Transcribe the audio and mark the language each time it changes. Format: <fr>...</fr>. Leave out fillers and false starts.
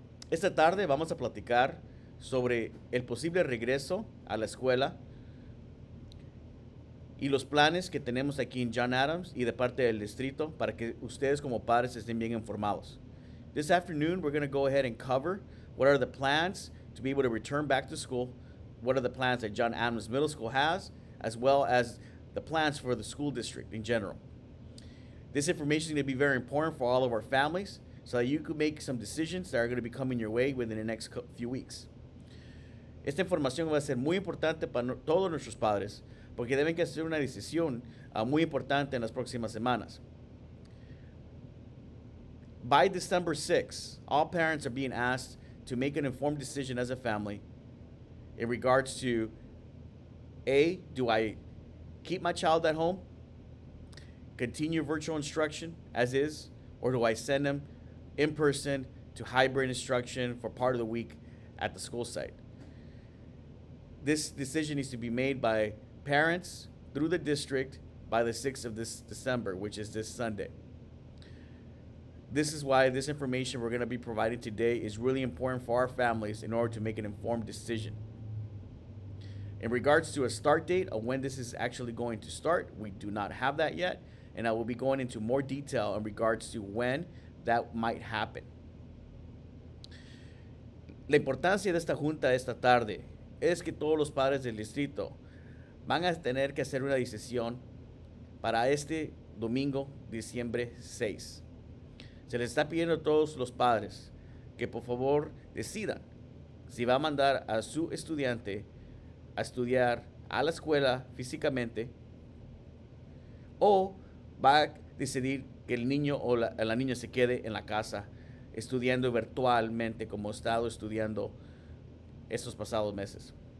<es>Esta tarde vamos a platicar sobre el posible regreso a la escuela y los planes que tenemos aquí en John Adams y de parte del distrito para que ustedes como padres estén bien informados.</es> <en>This afternoon, we're going to go ahead and cover what are the plans to be able to return back to school, what are the plans that John Adams Middle School has, as well as the plans for the school district in general. This information is going to be very important for all of our families so that you can make some decisions that are going to be coming your way within the next few weeks.</en> <es>Esta información va a ser muy importante para todos nuestros padres porque deben que hacer una decisión muy importante en las próximas semanas.</es> <en>By December 6, all parents are being asked to make an informed decision as a family in regards to A, do I keep my child at home, continue virtual instruction as is, or do I send them in person to hybrid instruction for part of the week at the school site? This decision needs to be made by parents through the district by the 6th of this December, which is this Sunday. This is why this information we're going to be providing today is really important for our families in order to make an informed decision. In regards to a start date of when this is actually going to start, we do not have that yet, and I will be going into more detail in regards to when that might happen.</en> <es>La importancia de esta junta esta tarde es que todos los padres del distrito van a tener que hacer una decisión para este domingo, diciembre 6. Se les está pidiendo a todos los padres que por favor decidan si va a mandar a su estudiante a estudiar a la escuela físicamente o va a decidir que el niño o la niña se quede en la casa estudiando virtualmente como ha estado estudiando estos pasados meses.</es>